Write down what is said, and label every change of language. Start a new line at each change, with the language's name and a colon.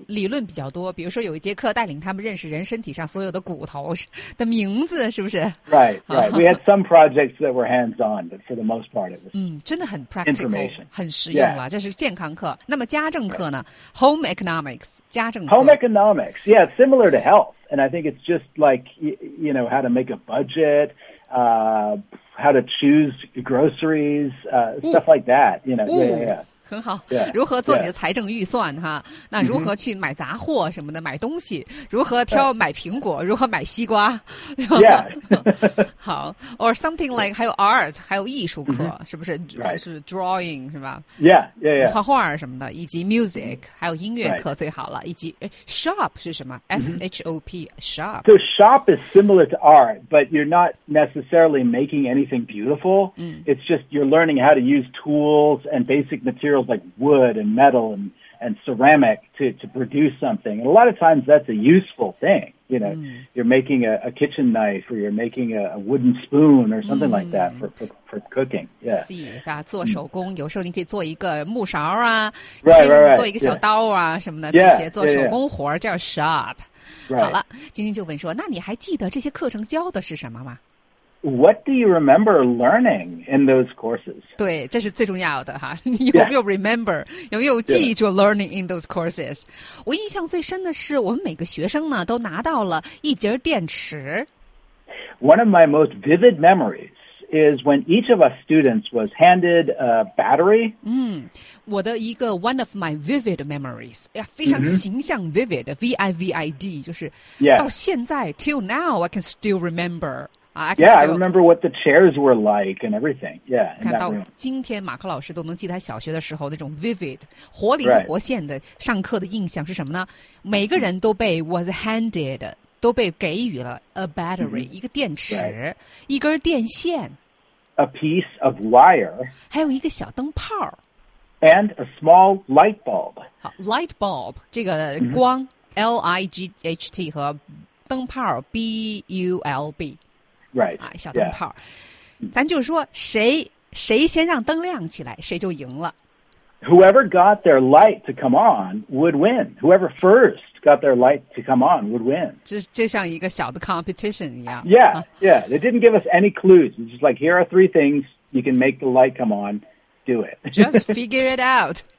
Chinese: 理论比较多，比如说有一节课带领他们认识人身体上所有的骨头的名字，是不是
English: ？Right. We had some projects that were hands-on, but for the most part, it was
Chinese: 真的很 practical, 很实用了。
English: Yeah.
Chinese: 这是健康课。那么家政课呢 ？Home economics, 家政课。
English: Home economics, yeah, similar to health, and I think it's just like you know how to make a budget. How to choose groceries,、stuff like that, you know. Yeah, yeah, yeah.
Chinese: 很好 yeah, 如何做你的财政预算、yeah. 哈那如何去买杂货什么的、买东西如何挑买苹果、如何买西瓜
English: Yeah.
Chinese: 好
English: Or something like,
Chinese: 还有 art, 还有艺术课、mm-hmm. 是不是、
English: right.
Chinese: 是 drawing, 是吧
English: Yeah.
Chinese: 画画什么的以及 music, 还有音乐课最好了、
English: right.
Chinese: 以及 shop 是什么 ?S-H-O-P,、mm-hmm. shop.
English: So shop is similar to art, but you're not necessarily making anything beautiful.、It's just you're learning how to use tools and basic materials like wood and metal and ceramic to produce something. And a lot of times that's a useful thing. You know,、you're making a kitchen knife or you're making a wooden spoon or something、like that for cooking. Yeah.
Chinese: See, 做手工、有时候你可以做一个木勺啊
English: right.
Chinese: 做一个小刀啊、什么的
English: yeah,
Chinese: 这些做手工活叫 shop.
English: Right.
Chinese: 好了今天就问说那你还记得这些课程教的是什么吗
English: What do you remember learning in those courses?
Chinese: 对这是最重要的哈有没有 remember,、
English: yeah.
Chinese: 有没有记住
English: learning in those courses?
Chinese: 我印象最深的是我们每个学生呢都拿到了一节电池。
English: One of my most vivid memories is when each of us students was handed a battery.
Chinese: 我的一个
English: one of my vivid memories,
Chinese: 非常形象 vivid,、mm-hmm. V-I-V-I-D, 就是、
English: yeah.
Chinese: 到现在
English: till now I can still remember. I remember what the chairs were like and everything. Yeah, in
Chinese: 看到今天马克老师都能记得小学的时候那种 vivid 活灵活现的上课的印象是什么呢？
English: Right.
Chinese: 每个人都被
English: was handed
Chinese: 都被给予了
English: a battery、
Chinese: mm-hmm. 一个电池、
English: right.
Chinese: 一根电线
English: a piece of wire
Chinese: 还有一个小灯泡
English: and a small light bulb
Chinese: 好 light bulb 这个光、mm-hmm. L-I-G-H-T 和灯泡 B-U-L-B
English: Right.
Chinese: 啊，小灯泡。
English: Yeah.
Chinese: 咱就是说谁先让灯亮起来谁就赢了。
English: Whoever got their light to come on would win. Whoever first got their light to come on would win.
Chinese: 就像一个小的 competition 一样。
English: Yeah, yeah. They didn't give us any clues. It's just like, here are three things. You can make the light come on. Do it. Just figure it out.